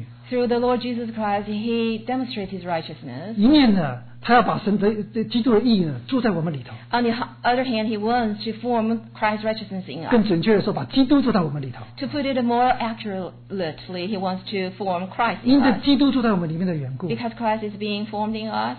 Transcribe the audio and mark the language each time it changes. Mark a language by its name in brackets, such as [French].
[English] through the Lord Jesus Christ, he demonstrates his righteousness. [Chinese] 一面呢, 他要把神的基督的义呢, [English] on the other hand, he wants to form Christ's righteousness in us. [Chinese] 更准确地说, [English] to put it more accurately, he wants to form Christ in us. Because Christ is being formed in us,